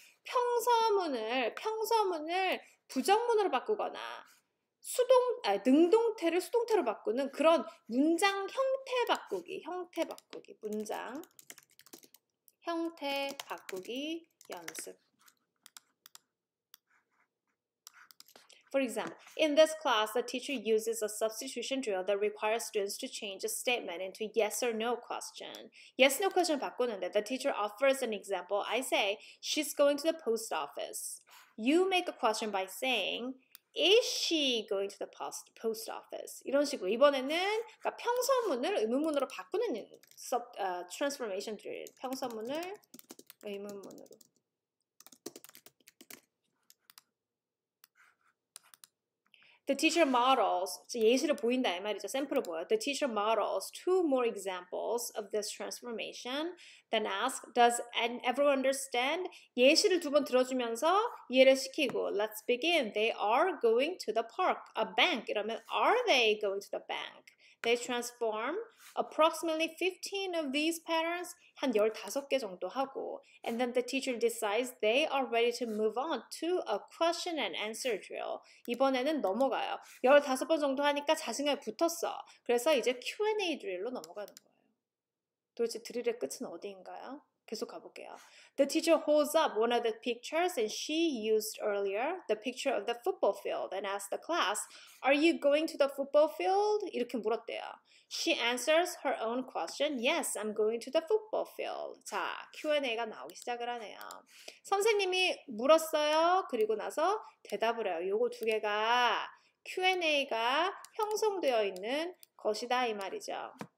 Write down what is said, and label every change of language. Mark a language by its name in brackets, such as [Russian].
[Korean] 평서문을 부정문으로 바꾸거나 능동태를 수동태로 바꾸는 그런 문장 형태 바꾸기, 문장 형태 바꾸기 연습. [English] For example, in this class, the teacher uses a substitution drill that requires students to change a statement into yes or no question. Yes, no question 바꾸는데, the teacher offers an example. I say, she's going to the post office. You make a question by saying, Is she going to the post office? [Korean] 이런 식으로 이번에는 그러니까 평서문을 의문문으로 바꾸는 transformation drill. 평서문을 의문문으로. 예시를 보인다 이 말이죠. 샘플을 보여. [English] The teacher models two more examples of this transformation. Then asks, does everyone understand? [Korean] 예시를 두 번 들어주면서 이해를 시키고. [English] Let's begin. They are going to the park. A bank. 이러면 are they going to the bank? They transform approximately 15 of these patterns. [Korean] 한 15개 정도 하고. [English] And then the teacher decides they are ready to move on to a question and answer drill. [Korean] 이번에는 넘어가요. 15번 정도 하니까 자신감이 붙었어. 그래서 이제 Q&A 드릴로 넘어가는 거예요. 도대체 드릴의 끝은 어디인가요? 계속 가볼게요. [English] The teacher holds up one of the pictures and she used earlier the picture of the football field and asks the class, Are you going to the football field? [Korean] 이렇게 물었대요. [English] She answers her own question, Yes, I'm going to the football field. [Korean] 자, Q&A가 나오기 시작을 하네요. 선생님이 물었어요. 그리고 나서 대답을 해요. 요거 두 개가 Q&A가 형성되어 있는 것이다 이 말이죠.